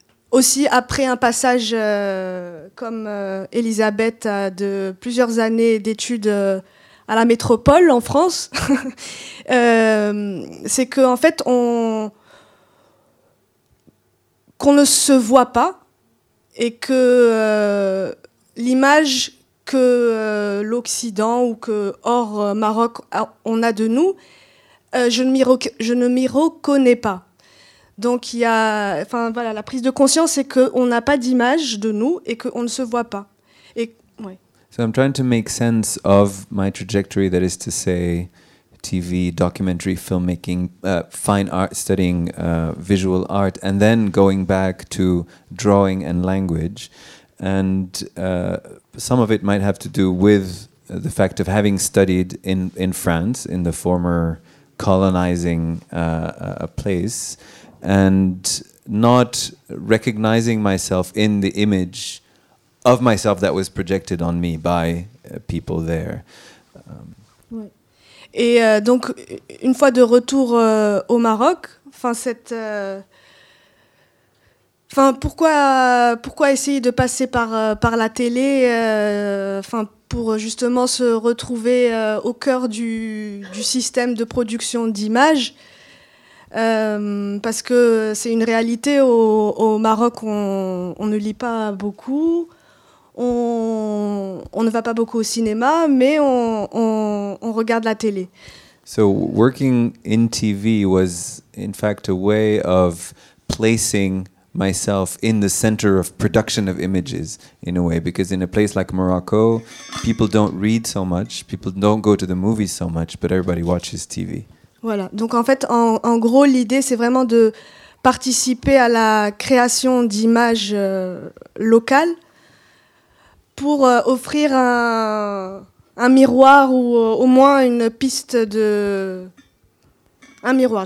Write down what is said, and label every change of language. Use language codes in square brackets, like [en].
[fr] aussi après un passage comme Elisabeth de plusieurs années d'études à la métropole en France, c'est que en fait qu'on ne se voit pas et que l'image que l'Occident ou que hors Maroc on a de nous, je ne m'y reconnais pas. Donc il y a, enfin voilà, la prise de conscience, c'est que on n'a pas d'image de nous et que on ne se voit pas. [en] So I'm trying to make sense of my trajectory, that is to say, TV, documentary, filmmaking, fine art, studying visual art, and then going back to drawing and language. And some of it might have to do with the fact of having studied in France, in the former colonizing a place, and not recognizing myself in the image of myself that was projected on me by people there. [fr] Ouais. Et donc une fois de retour au Maroc, enfin cette enfin pourquoi essayer de passer par la télé enfin pour justement se retrouver au cœur du système de production d'images, parce que c'est une réalité au Maroc, on ne lit pas beaucoup. On ne va pas beaucoup au cinéma, mais on regarde la télé. [en] So working in TV was in fact a way of placing myself in the center of production of images, in a way, because in a place like Morocco, people don't read so much, people don't go to the movies so much, but everybody watches TV. [fr] Voilà. Donc en fait, en gros, l'idée, c'est vraiment de participer à la création d'images locales, pour offrir un miroir ou au moins une piste de un miroir.